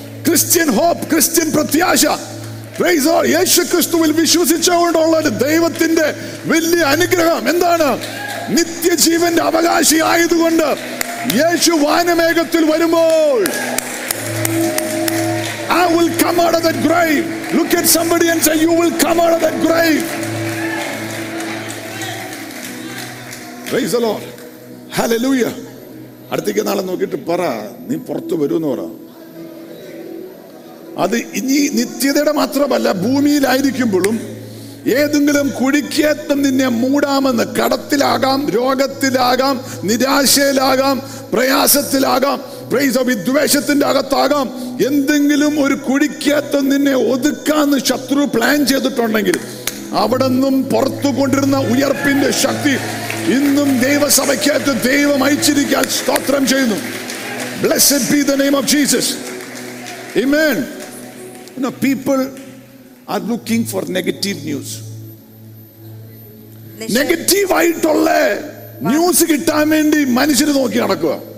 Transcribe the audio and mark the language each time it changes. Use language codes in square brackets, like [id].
[en] Christian hope, [ml] Christian പ്രത്യാശ. [en] Praise the Lord. [ml] യേശു ക്രിസ്തുവിൽ വിശ്വസിച്ചുകൊണ്ടുള്ള ഒരു ദൈവത്തിന്റെ വലിയ അനുഗ്രഹം എന്താണ്? നിത്യജീവന്റെ അവകാശി ആയതുകൊണ്ട് യേശു വാനമേഘത്തിൽ വരുമ്പോൾ [en] I will come out of that grave. Look at somebody and say, you will come out of that grave. Praise the Lord. Hallelujah. [ml] അടുത്തേക്ക് നാളെ നോക്കിയിട്ട് പറ, നീ പുറത്തു വരും എന്ന് പറ. അത് ഇനി നിത്യതയുടെ മാത്രമല്ല, ഭൂമിയിലായിരിക്കുമ്പോഴും ഏതെങ്കിലും കുഴിക്കേറ്റം നിന്നെ മൂടാമെന്ന്, കടത്തിലാകാം, രോഗത്തിലാകാം, നിരാശയിലാകാം, പ്രയാസത്തിലാകാം, പ്രൈസ് ഓഫ് വിദ്വേഷത്തിന്റെ അകത്താകാം, എന്തെങ്കിലും ഒരു കുഴിക്കേറ്റം നിന്നെ ഒതുക്കാന്ന് ശത്രു പ്ലാൻ ചെയ്തിട്ടുണ്ടെങ്കിൽ അവിടെ നിന്നും പുറത്തു കൊണ്ടിരുന്ന ഉയർപ്പിന്റെ ശക്തി ഇന്നും ദൈവസഭയ്ക്കകത്ത് ദൈവം അയച്ചിരിക്കാൻ സ്തോത്രം ചെയ്യുന്നു. [en] Blessed be the name of Jesus. Amen. You know, people are looking for negative news. [ml] Negative ആയിട്ടുള്ള ന്യൂസ് കിട്ടാൻ വേണ്ടി മനുഷ്യരെ നോക്കി നടക്കുക.